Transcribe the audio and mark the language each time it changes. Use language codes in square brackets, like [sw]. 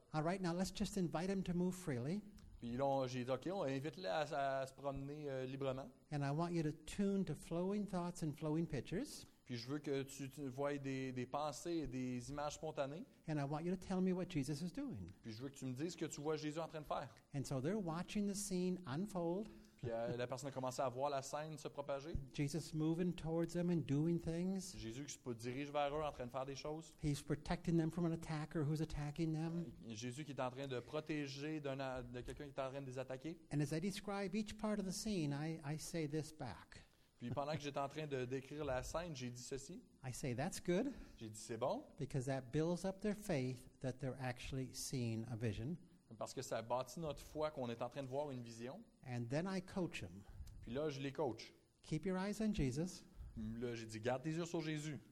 [en] All right, now let's just invite him to move freely. [fr] Puis là, j'ai dit, ok, on invite-le à se promener librement. [en] And I want you to tune to flowing thoughts and flowing pictures. [fr] Puis je veux que tu vois des pensées et des images spontanées. [en] And I want you to tell me what Jesus is doing. [fr] Puis je veux que tu me dises ce que tu vois Jésus en train de faire. [en] And so they're watching the scene unfold. [fr] Puis la personne a commencé à voir la scène se propager. [en] Jesus moving towards them and doing things. [fr] Jésus qui se dirige vers eux en train de faire des choses. [en] He's protecting them from an attacker who's attacking them. [fr] Jésus qui est en train de protéger de quelqu'un qui est en train de les attaquer. [en] And as I describe each part of the scene, I say this back. [fr] Puis pendant que j'étais en train de décrire la scène, j'ai dit ceci. [en] I say, that's good. [fr] J'ai dit, c'est bon. [en] Because that builds up their faith that they're actually seeing a vision. [fr] Parce que ça bâtit notre foi qu'on est en train de voir une vision. [en] And then I coach them. [fr] Puis là, je les coach. [en] Keep your eyes on Jesus. [fr] Là, j'ai dit, garde tes yeux sur Jésus.